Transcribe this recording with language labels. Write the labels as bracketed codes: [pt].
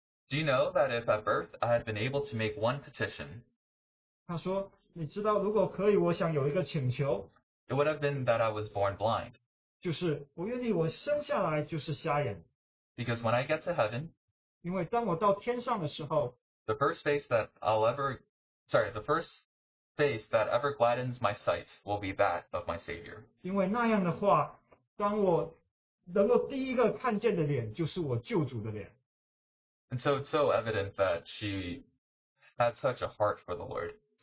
[en] Do you know that if at birth I had been able to make one petition? [zh] 他说, 你知道如果可以我想有一个请求, [en] it would have been that I was born blind. Because when I get to heaven, [zh] 因为当我到天上的时候, [en] the first face that ever gladdens my sight will be that of my Savior. [zh] 因为那样的话, 当我能够第一个看见的脸就是我救主的脸。 [en] And so it's so evident that she had such a heart for the Lord.